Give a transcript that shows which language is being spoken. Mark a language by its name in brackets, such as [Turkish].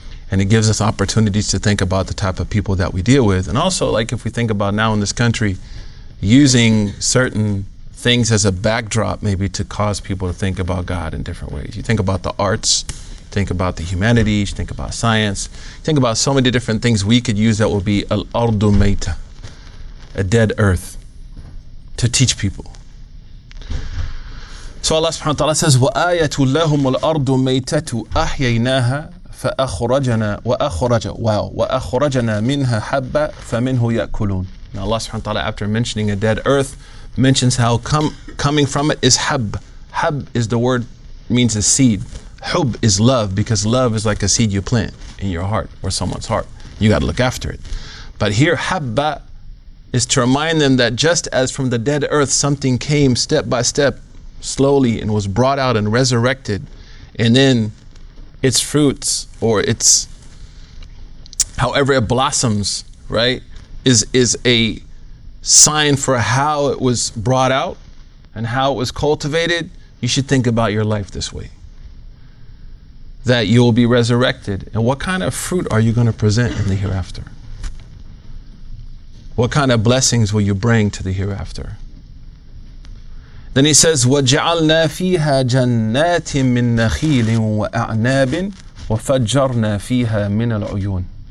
[English] And it gives us opportunities to think about the type of people that we deal with. And also, like, if we think about now in this country, using certain things as a backdrop maybe to cause people to think about God in different ways. You think about the arts, think about the humanities, think about science, think about so many different things we could use that would be [Arabic] al-ardu mayta, [English] a dead earth, to teach people. [Arabic] So Allah subhanahu wa ta'ala says, وَآيَةُ لَهُمُ الْأَرْضُ مَيْتَةُ أَحْيَيْنَاهَا فَأَخْرَجَنَا وَأَخْرَجَ wow, وَأَخْرَجَنَا مِنْهَا حَبَّ فَمِنْهُ يَأْكُلُونَ. [English] Now Allah subhanahu wa ta'ala, after mentioning a dead earth, mentions how coming from it is hab. Hab is the word, means a seed. Hub is love, because love is like a seed you plant in your heart or someone's heart. You got to look after it. But here, habba is to remind them that just as from the dead earth something came step by step, slowly, and was brought out and resurrected, and then its fruits, or its however it blossoms, right, is a sign for how it was brought out and how it was cultivated. You should think about your life this way, that you will be resurrected, and what kind of fruit are you going to present in the hereafter? What kind of blessings will you bring to the hereafter? [Arabic] Then he says, وَجَعَلْنَا فِيهَا جَنَّاتٍ مِّن نَخِيلٍ وَأَعْنَابٍ وَفَجَّرْنَا فِيهَا مِّنَ الْعُيُونِ.